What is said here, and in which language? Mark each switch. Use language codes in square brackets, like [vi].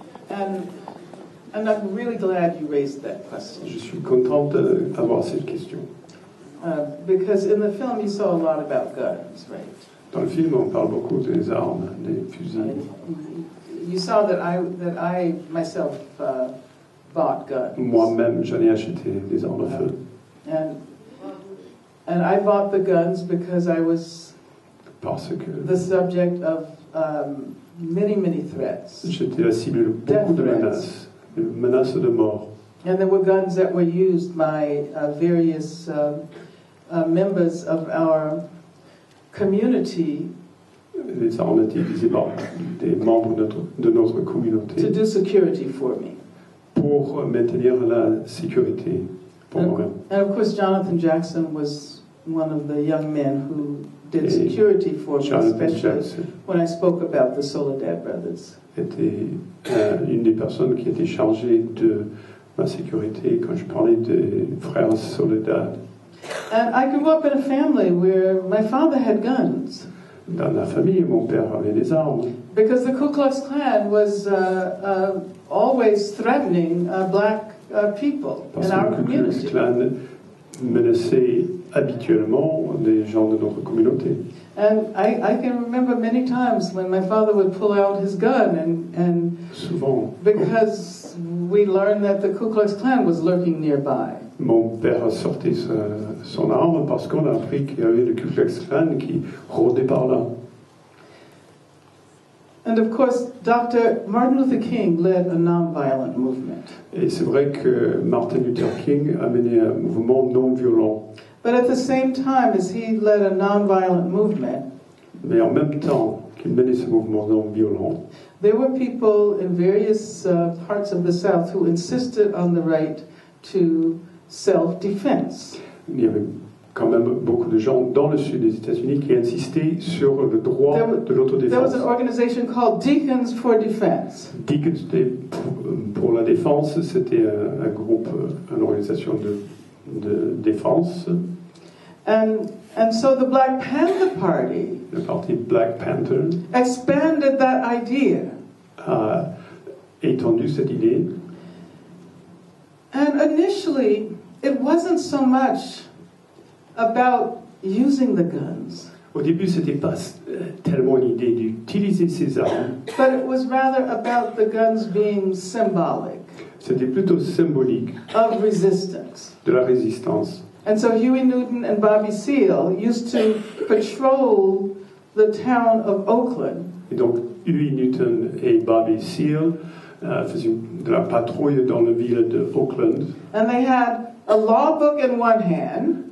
[en] And I'm really glad you raised that question. [fr] Je suis contente d'avoir cette question. [en] Because in the film you saw a lot about guns, right? [fr] Dans le film, on parle beaucoup des armes, des fusils. [en] You saw that I myself bought guns. [fr] Moi-même, j'en ai acheté des armes de feu. [en] And I bought the guns because I was the subject of many, many threats. [fr] J'étais la cible de beaucoup de menaces, menaces de mort. [en] And there were guns that were used by various members of our community. [fr] Les armes étaient utilisées par des membres de notre communauté. [en] To do security for me. [fr] Pour maintenir la sécurité pour moi. [en] And of course, Jonathan Jackson was one of the young men who did security for me, especially when I spoke about the Soledad brothers. [fr] Était une des personnes qui était chargée de ma sécurité quand je parlais des frères Soledad. [en] And I grew up in a family where my father had guns. [fr] Dans la famille, mon père avait des armes. [en] Because the Ku Klux Klan was always threatening black people [fr] parce [en] in our community. [fr] Parce que le Ku Klux Klan menaçait habituellement des gens de notre communauté. [en] And I can remember many times when my father would pull out his gun and [fr] souvent [en] because we learned that the Ku Klux Klan was lurking nearby. [fr] Mon père a sorti son arme parce qu'on a appris qu'il y avait le Ku Klux Klan qui rôdait par là. [en] And of course, Dr. Martin Luther King led a non-violent movement. [fr] Et c'est vrai que Martin Luther King a mené un mouvement non-violent. [en] But at the same time as he led a non-violent movement, [fr] mais en même temps qu'il menait ce mouvement non-violent, [en] there were people in various parts of the South who insisted on the right to self-defense. [fr] Il y avait quand même beaucoup de gens dans le sud des États-Unis qui insistaient sur le droit de l'autodéfense. [en] There was an organization called Deacons for Defense. [fr] Deacons pour la défense, c'était un groupe, une organisation de défense. [en] And so the Black Panther Party, [fr] le parti Black Panther, [en] expanded that idea. [fr] A étendu cette idée. [en] And initially, it wasn't so much about using the guns. [fr] Au début, c'était pas tellement l'idée d'utiliser ces armes. [en] But it was rather about the guns being symbolic. [fr] C'était plutôt symbolique [en] of resistance. [fr] De la résistance. [en] And so Huey Newton and Bobby Seale used to patrol the town of Oakland. [fr] Et donc Huey Newton et Bobby Seale faisaient de la patrouille dans la ville de Oakland. [en] And they had a law book in one hand.